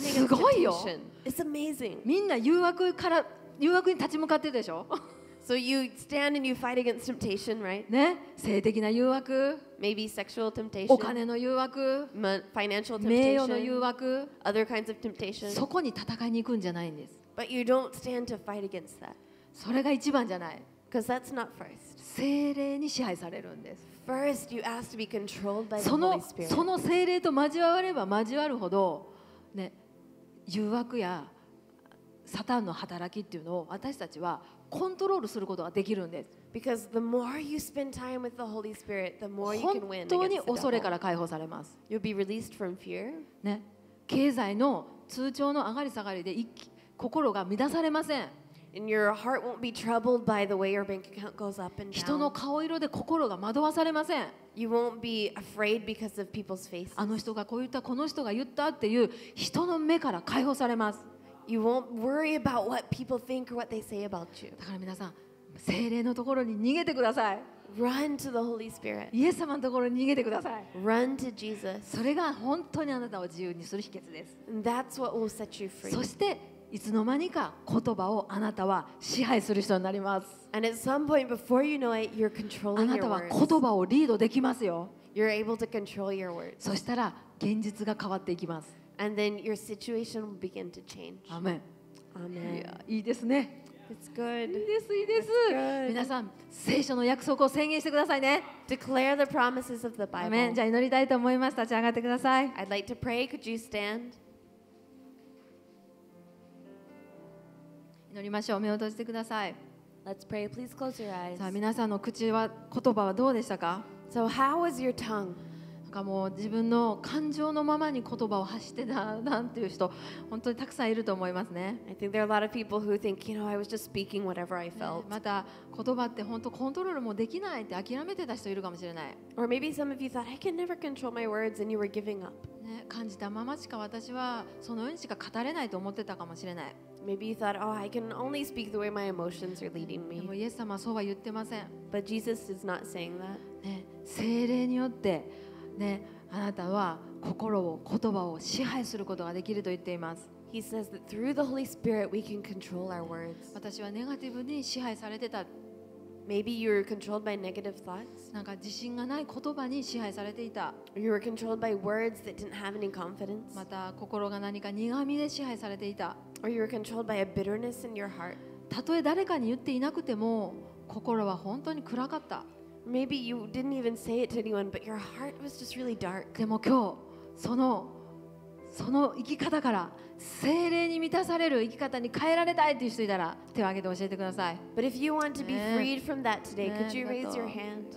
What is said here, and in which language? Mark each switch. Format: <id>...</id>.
<en>against temptation.</en> <ja>すごいよ。</ja> <en>It's amazing.</en> <ja>みんな誘惑に立ち向かってるでしょ。</ja> <en>So you stand and you fight against temptation, right?</en> <ja>ね、性的な誘惑。</ja> <en>Maybe sexual temptation.</en> <ja>お金の誘惑。</ja> <en>Financial temptation.</en> <ja>名誉の誘惑。</ja> <en>Other kinds of temptation.</en> <ja>そこに戦いに行くんじゃないんです。</ja> <en>But you don't stand to fight against that.</en> <ja>それが一番じゃない。</ja> <en>Because that's not first.</en> <ja>聖霊に支配されるんです。</ja> <en>First, you ask to be controlled by the Holy Spirit.</en> <ja>その聖霊と交われば交わるほど、ね、誘惑やサタンの働きっていうのを私たちはコントロールすることができるんです。</ja> <en>Because the more you spend time with the Holy Spirit, the more you can win against the devil.</en> <ja>本当に恐れから解放されます。</ja> <en>You'll be released from fear.</en> <ja>ね、経済の通帳の上がり下がりで心が乱されません。</ja> <en>And your heart won't be troubled by the way your bank account goes up and down.</en> <ja>人の顔色で心が惑わされません。</ja> <en>You won't be afraid because of people's faces.</en> <ja>あの人がこう言った、この人が言ったっていう人の目から解放されます。</ja> <en>You won't worry about what people think or what they say about you.</en> <ja>だから皆さん、聖霊のところに逃げてください。</ja> <en>Run to the Holy Spirit.</en> <ja>イエス様のところに逃げてください。</ja> <en>Run to Jesus.</en> <ja>それが本当にあなたを自由にする秘訣です。</ja> <en>And that's what will set you free.</en> <ja>そしていつの間にか言葉をあなたは支配する人になります。</ja> <en>And at some point before you know it, you're controlling your</en> <ja>words. あなたは言葉をリードできますよ。</ja> <en>You're able to control your words.</en> <ja>そしたら現実が変わっていきます。</ja> <en>And then your situation will begin to change. Amen. Amen.</en> <ja>いいですね。</ja> <en>It's good.</en> <ja>いいです、いいです。皆さん、聖書の約束を宣言してくださいね。</ja> <en>Declare the promises of the Bible. Amen.</en> <ja>じゃあ祈りたいと思います。立ち上がってください。</ja> <en>I'd like to pray. Could you stand?</en> <ja>祈りましょう。目を閉じてください。</ja> <en>Let's pray. Please close your eyes.</en> <ja>さあ、皆さんの口は言葉はどうでしたか?</ja> <en>So how was your tongue?</en> <ja>なんかもう自分の感情のままに言葉を発してたなんていう人本当にたくさんいると思いますね。</ja> <en>I think there are a lot of people who think, you know, I was just speaking whatever I felt.</en> <ja>また言葉って本当コントロールもできないって諦めてた人いるかもしれない。</ja> <en>Or maybe some of you thought, I can never control my words and you were giving up.、</en> <ja>ね、感じたまましか私はそのようにしか語れないと思ってたかもしれない。</ja> <en>Maybe you thought, oh, I can only speak the way my emotions are leading me.</en> <ja>でもイエス様はそうは言ってません。</ja> <en>But Jesus is not saying that.、</en> <ja>ね、聖霊によってね、あなたは心を言葉を支配することができると言っています。</ja> <en>He says that through the Holy Spirit we can control our words.</en> <ja>私はネガティブに支配されてた。</ja> <en>Maybe you were controlled by negative thoughts.</en> <ja>なんか自信がない言葉に支配されていた。</ja> <en>You were controlled by words that didn't have any confidence.</en> <ja>また心が何か苦味で支配されていた。</ja> <en>Or you were controlled by a bitterness in your heart.</en> <ja>たとえ誰かに言っていなくても心は本当に暗かった。</ja> <en>Maybe you didn't even say it to anyone, but your heart was just really dark.</en> <ja>でも今日その生き方から聖霊に満たされる生き方に変えられたいという人いたら手を挙げて教えてください。</ja> <en>But if you want to be freed from that today, could you raise your hand?</en>